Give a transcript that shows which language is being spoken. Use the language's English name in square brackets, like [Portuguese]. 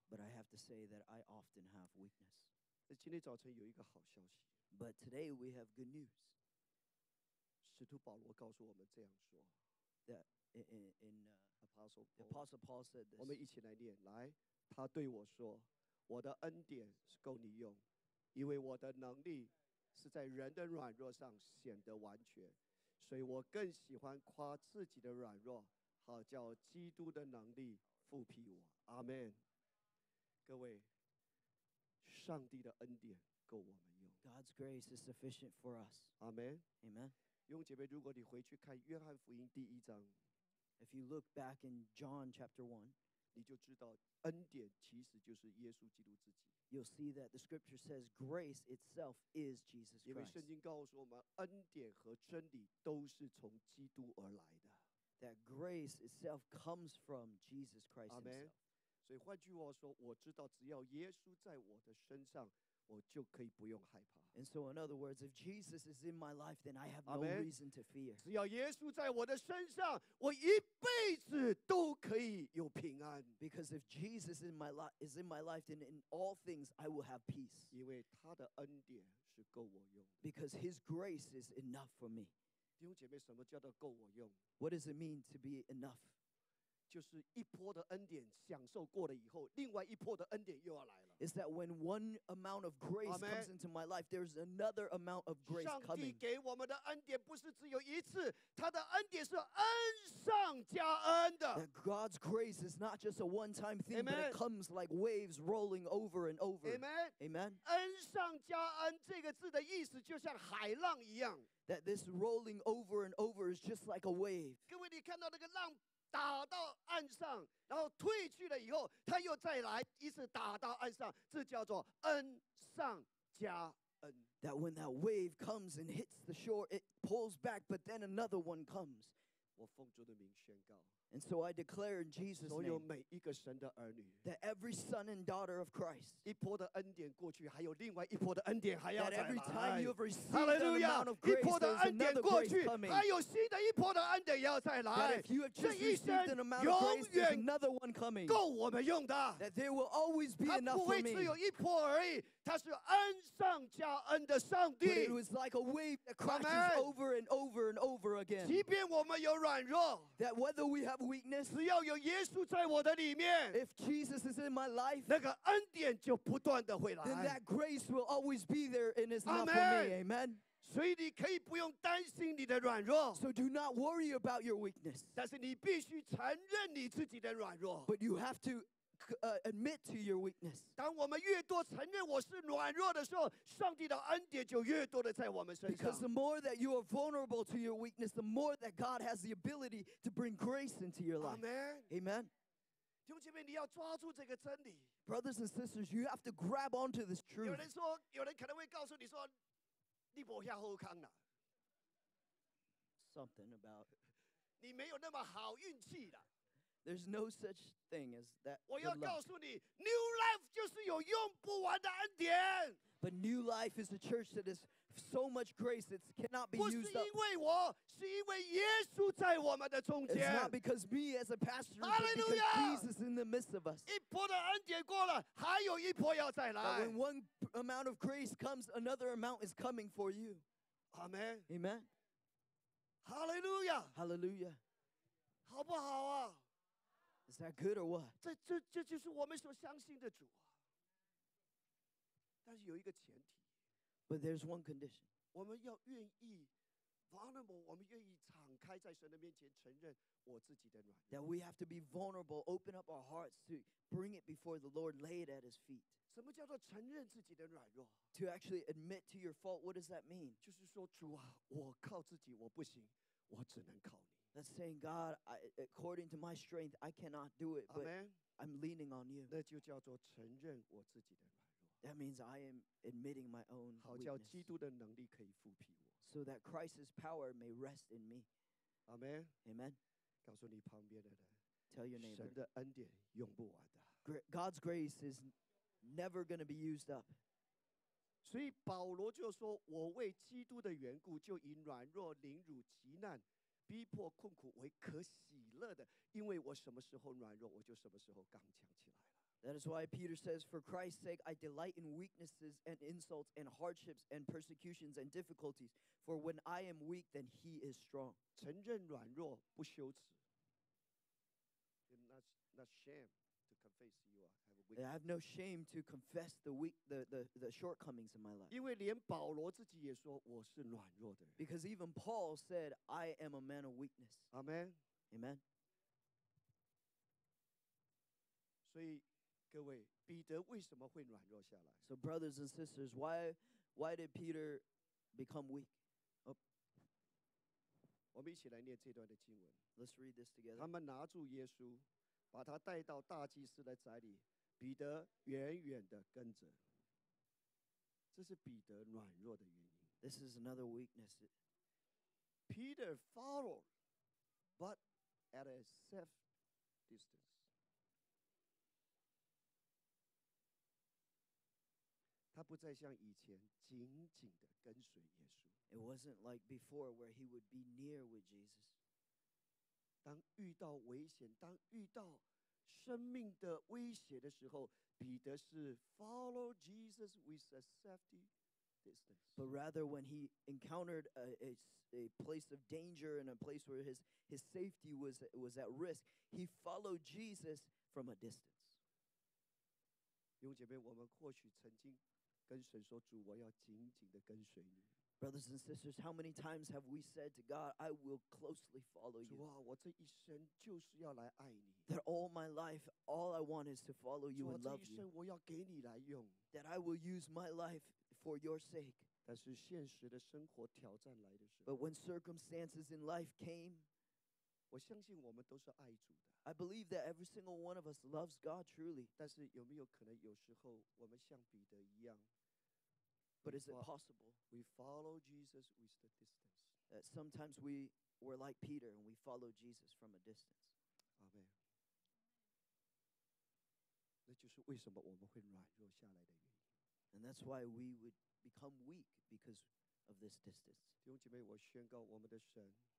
[English] But I have to say that I often have weakness. [Chinese] 今天早晨有一个好消息。 [English] But today we have good news. [Chinese] 使徒保罗告诉我们这样说。 [English] That Apostle Paul said this. [Chinese] 我们一起来念，来，他对我说，我的恩典是够你用，因为我的能力是在人的软弱上显得完全，所以我更喜欢夸自己的软弱，好叫基督的能力覆庇我。阿门。各位，上帝的恩典够我们用。 [English] God's grace is sufficient for us. [Chinese] 阿门。 [English] Amen. [Chinese] 弟兄姐妹，如果你回去看约翰福音第一章。 [English] If you look back in John chapter 1, [Chinese] 你就知道恩典其实就是耶稣基督自己。 [English] You'll see that the scripture says grace itself is Jesus Christ. [Chinese] 因为圣经告诉我们恩典和真理都是从基督而来的。 [English] That grace itself comes from Jesus Christ himself. Amen. [Chinese] 所以换句话说，我知道只要耶稣在我的身上，我就可以不用害怕。 [English] And so in other words, if Jesus is in my life, then I have no Amen. Reason to fear. [Chinese] 只要耶稣在我的身上，我一辈子都可以有平安。 [English] Because if Jesus is in my life, then in all things I will have peace. [Chinese] 因为他的恩典是够我用的。 [English] Because his grace is enough for me. [Chinese] 弟兄姐妹，什么叫做够我用？ [English] What does it mean to be enough? [Chinese] 就是一波的恩典享受过了以后，另外一波的恩典又要来了。 [English] Is that when one amount of grace Amen. Comes into my life, there's another amount of grace coming. [Chinese] 上帝给我们的恩典不是只有一次，他的恩典是恩上加恩的。 [English] That God's grace is not just a one-time thing, Amen. But it comes like waves rolling over and over. Amen. Amen. [Chinese] 恩上加恩这个字的意思就像海浪一样。 [English] That this rolling over and over is just like a wave. [Chinese] 各位，你看到那个浪？打到岸上，然后退去了以后，他又再来一次打到岸上，这叫做恩上加恩。 [English] That when that wave comes and hits the shore, it pulls back, but then another one comes. [Chinese] 我奉主的名宣告。 [English] And so I declare in Jesus' name, [Chinese] 所有每一个神的儿女， [English] that every son and daughter of Christ, [Chinese] 一波的恩典过去，还有另外一波的恩典还要再来。 [English] That every time you've received an amount of grace, [Chinese] 一波的恩典过去，还有新的一波的恩典要再来。 [English] That if you have just received an amount of grace, there's another one coming. [Chinese] 够我们用的。 [English] That there will always be enough for me. [Chinese] 它不会只有一波而已，它是恩上加恩的上帝。 [English] But it was like a wave that crashes over and over and over again. [Chinese] 即便我们有软弱。 [English] That whether we have weakness, [Chinese] 只要有耶稣在我的里面， [English] if Jesus is in my life, [Chinese] 那个恩典就不断的回来， [English] then that grace will always be there and it's not for me, amen. [Chinese] 所以你可以不用担心你的软弱， [English] so do not worry about your weakness. [Chinese] 但是你必须承认你自己的软弱， [English] but you have to admit to your weakness. [Chinese] 当我们越多承认我是软弱的时候，上帝的恩典就越多的在我们身上。 [English] Because the more that you are vulnerable to your weakness, the more that God has the ability to bring grace into your life. Amen. Amen. [Chinese] 弟兄姐妹，你要抓住这个真理。 [English] Brothers and sisters, you have to grab onto this truth. [Chinese] 有人说，有人可能会告诉你说，你不遐好康啦。 [English] Something about [Chinese] 你没有那么好运气啦。 [English] There's no such thing as that. [Chinese] 我要告诉你 ，New Life 就是有用不完的恩典。 [English] But New Life is a church that is so much grace it cannot be used up. [Chinese] 不是因为我，是因为耶稣在我们的中间。 [English] It's not because me as a pastor, Hallelujah! But because Jesus in the midst of us. [Chinese] 一波的恩典过了，还有一波要再来。 [English] But when one amount of grace comes, another amount is coming for you. Amen. Amen. Hallelujah. Hallelujah. [Chinese] 好不好啊？ [English] Is that good or what? [Chinese] 这就是我们所相信的主啊。但是有一个前提。 [English] But there's one condition. [Chinese] 我们要愿意 vulnerable， 我们愿意敞开在神的面前承认我自己的软弱。 [English] That we have to be vulnerable, open up our hearts to bring it before the Lord, lay it at His feet. [Chinese] 什么叫做承认自己的软弱？ [English] To actually admit to your fault, what does that mean? [Chinese] 就是说主啊，我靠自己我不行，我只能靠你。 [English] That's saying, God, according to my strength, I cannot do it, but Amen. I'm leaning on you. [Chinese] 那就叫做承认我自己的软弱。 [English] That means I am admitting my own weakness. [Chinese] 好叫基督的能力可以覆庇我。 [English] So that Christ's power may rest in me. Amen. Amen. [Chinese] 告诉你旁边的人。 [English] Tell your neighbor. [Chinese] 神的恩典用不完的。 [English] God's grace is never going to be used up. [Chinese] 所以保罗就说，我为基督的缘故，就以软弱、凌辱、极难、逼迫、困苦为可喜乐的，因为我什么时候软弱，我就什么时候刚强起来。 [English] That is why Peter says, for Christ's sake, I delight in weaknesses and insults and hardships and persecutions and difficulties. For when I am weak, then he is strong. [Chinese] 承认软弱不羞耻。 [English] Not shame to confess you have a weakness. I have no shame to confess the shortcomings in my life. [Chinese] 因为连保罗自己也说我是软弱的人。 [English] Because even Paul said, I am a man of weakness. Amen. Amen. [Chinese] 所以各位，彼得为什么会软弱下来？ [English] So brothers and sisters, why did Peter become weak? [Chinese] 我们一起来念这段的经文。 [English] Let's read this together. [Chinese] 他们拿住耶稣，把他带到大祭司的宅里，彼得远远的跟着。这是彼得软弱的原因。 [English] This is another weakness. Peter followed, but at a safe distance. [Chinese] 他不再像以前紧紧的跟随耶稣。 [English] It wasn't like before where he would be near with Jesus. [Chinese] 当遇到危险，当遇到生命的威胁的时候，彼得是 [English] follow Jesus with a safety distance. But rather when he encountered a place of danger and a place where his safety was at risk, he followed Jesus from a distance. [Chinese] 弟兄姐妹，我们或许曾经跟神说，主，我要紧紧地跟随你。 [English] Brothers and sisters, how many times have we said to God, I will closely follow you? [Chinese] 主啊，我这一生就是要来爱你。 [English] That all my life, all I want is to follow you and love you. [Chinese] 主啊，这一生我要给你来用。 [English] That I will use my life for your sake. [Chinese] 但是现实的生活挑战来的时候。 [English] But when circumstances in life came, [Chinese] 我相信我们都是爱主的。 [English] I believe that every single one of us loves God truly. [Chinese] 但是有没有可能有时候我们像彼得一样？ [English] But is it possible? We follow Jesus with the distance. That sometimes we were like Peter and we follow Jesus from a distance. Amen. [Chinese] 那就是为什么我们会软弱下来的原因。 [English] And that's why we would become weak because of this distance. [Chinese] 弟兄姐妹，我宣告我们的神。